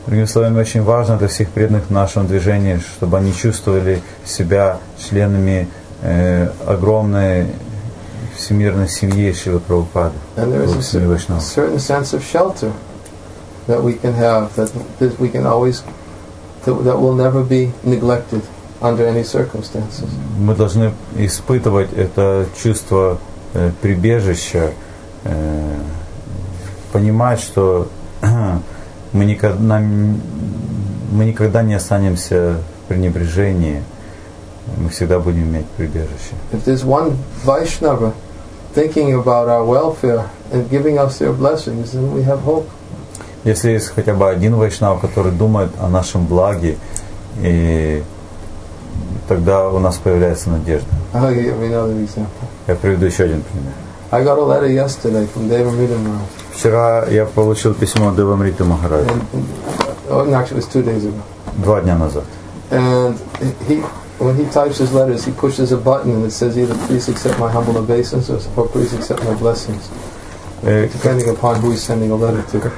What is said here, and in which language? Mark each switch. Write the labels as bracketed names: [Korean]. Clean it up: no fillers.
[Russian] Другими словами, очень важно для всех преданных в нашем движении, чтобы они чувствовали себя членами огромной всемирной семьи Шрилы Прабхупады. [English] And there is a certain sense of shelter that we can have, that we can always, that will never be neglected under any circumstances. [Russian] Мы должны испытывать это чувство прибежища, понимать, что мы никогда не останемся в пренебрежении, мы всегда будем иметь прибежище. [English] If there's one Vaishnava thinking about our welfare and giving us their blessings, then we have hope. [Russian] Если есть хотя бы один вайшнав, который думает о нашем благе, и тогда у нас появляется надежда. Я приведу еще один пример. [English] I got a letter yesterday from Devamrita Maharaj. [Russian] Вчера я получил письмо от Девамриты Махараджа. [English] Actually, it was 2 days ago. [Russian] 2 дня назад. [English] And when he types his letters, he pushes a button and it says either please accept my humble obeisance or please accept my blessings. Depending upon who he's sending a letter to.